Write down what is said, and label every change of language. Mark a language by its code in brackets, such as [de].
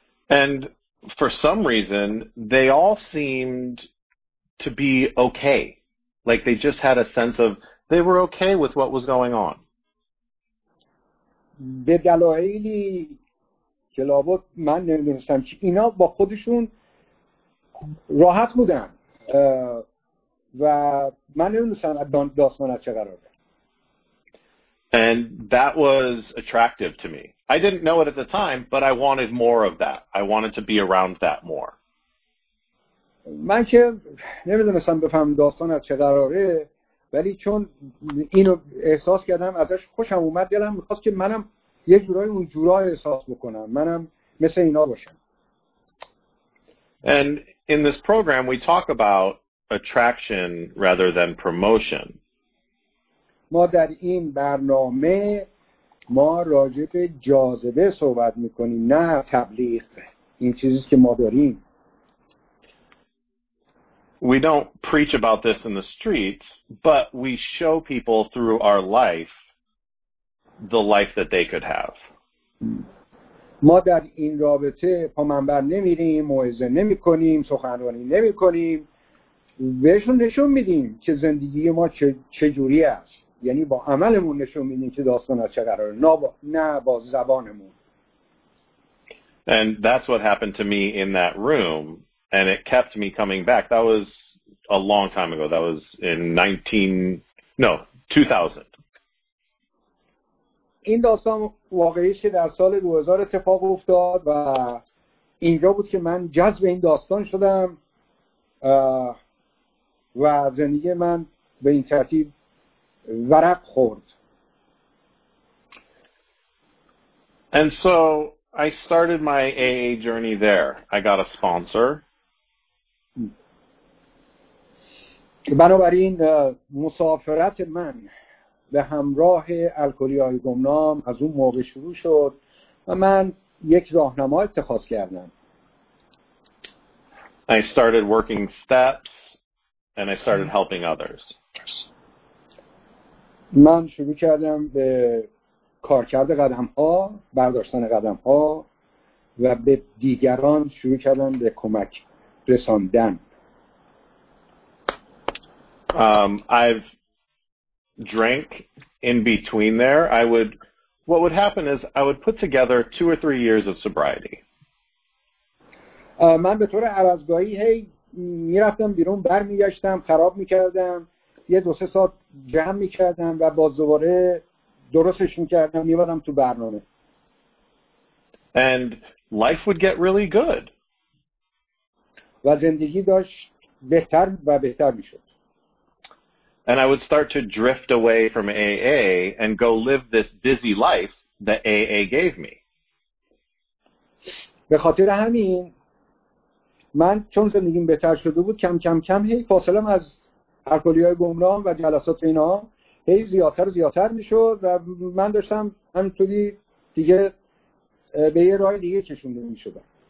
[en] And for some reason they all seemed to be okay. Like they just had a sense of they were okay with what was going on. [fa] به دلایلی که لابد من نمی‌دونستم که اینا با خودشون راحت بودن و من نمی‌دونستم داستان از چه قراره. [en] And that was attractive to me. I didn't know it at the time, but I wanted more of that. I wanted to be around that more. [fa] من که نمی‌دونستم بفهم داستان از چه قراره، ولی چون اینو احساس کردم ازش خوشم اومد، دلم می‌خواست که منم یه جورای اون جورا احساس بکنم، منم مثل اینا باشم. [en] And in this program we talk about attraction rather than promotion. [fa] ما در این برنامه ما راجع به جاذبه صحبت می‌کنیم، نه تبلیغ. این چیزی که ما داریم. [en] We don't preach about this in the streets, but we show people through our life the life that they could have. [fa] ما در این رابطه پا منبر نمیریم، موعظه نمی‌کنیم، سخنرانی نمی‌کنیم، بهشون نشون میدیم که زندگی ما چه جوری است، یعنی با عملمون نشون میدیم که داستان از چه قراره، نه با زبانمون. [en] And that's what happened to me in that room. And it kept me coming back. That was a long time ago. That was in 2000. [fa] این داستان واقعیه که در سال 2000 اتفاق افتاد و اینجا بود که من جذب این داستان شدم و زندگی من به این ترتیب ورق خورد. [en] And so I started my AA journey there. I got a sponsor. [fa] بنابراین مسافرت من به همراه الکلی‌های گمنام از اون موقع شروع شد و من یک راهنما اتخاذ کردم. [en] I started working steps and I started helping others. [fa] من شروع کردم به کار کرده قدم‌ها، برداشتن قدم‌ها و به دیگران شروع کردم به کمک رساندن. [en] I've drank in between there. What would happen is I would put together 2 or 3 years of sobriety. [fa] من به طور عوضگاهی میرفتم بیرون، برمیگشتم، خراب میکردم، یه دو سه ساعت جمع میکردم و باز دوباره درستش میکردم، میبادم تو برنامه. [en] And life would get really good. [fa] و زندگی داشت بهتر و بهتر میشد. [en] And I would start to drift away from AA and go live this busy life that AA gave me. [fa] به خاطر همین من چون زندگیم بهتر شده بود، کم کم فاصله‌ام از الکلی‌های گمنام و جلسات اینا زیادتر و زیادتر می‌شد و من داشتم همینطوری دیگه به یه راه دیگه چشونده می‌شدم.